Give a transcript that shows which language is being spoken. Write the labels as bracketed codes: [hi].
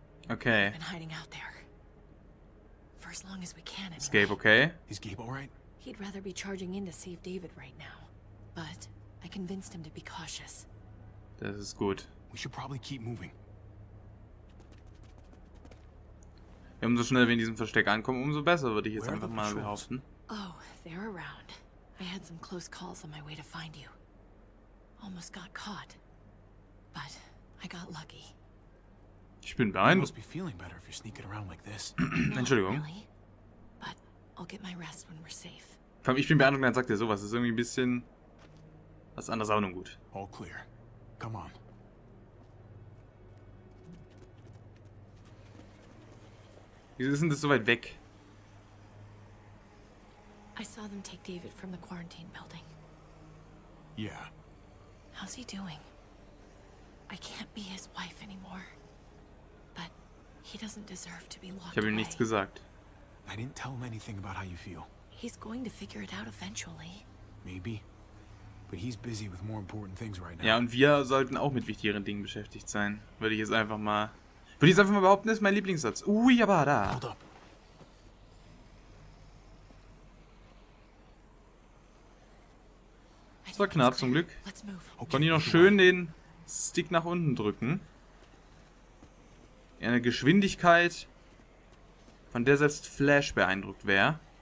[en] Okay. I've been hiding out there. For as long as we can. Is Gabe okay? Is Gabe all right? He'd rather be charging in to save David right now, but. I convinced him to be cautious. [de] Das ist gut. [en] We should probably keep moving. [de] Ja, umso schneller wir in diesem Versteck ankommen, umso besser, würde ich jetzt einfach mal behaupten. [en] Oh, they're around. I had some close calls on my way to find you. Almost got caught. But I got lucky. [de] Ich bin beeindruckt. [en] You must be feeling better if you're sneaking around like this. [de] Entschuldigung. [en] But I'll get my rest when we're safe. [de] Vor ich bin beeindruckt, dann sagt er sowas. Das ist irgendwie ein bisschen was anderes, aber nun gut. [en] All clear. Come on. [de] Wieso ist denn das so weit weg? [en] I saw them take David from the quarantine building. Yeah. How's he doing? I can't be his wife anymore. But he doesn't deserve to be locked away. [de] Ich habe ihm nichts gesagt. [en] I didn't tell him anything about how you feel. He's going to figure it out eventually. Maybe. But he's busy with more important things right now. [de] Ja, und wir sollten auch mit wichtigeren Dingen beschäftigt sein. Würde ich jetzt einfach mal. Würde ich jetzt einfach mal behaupten, das ist mein Lieblingssatz. Ui, aber da. [en] Hold up. [de] Das war knapp, zum Glück. Konnte ich noch schön den Stick nach unten drücken. In einer Geschwindigkeit, von der selbst Flash beeindruckt wäre.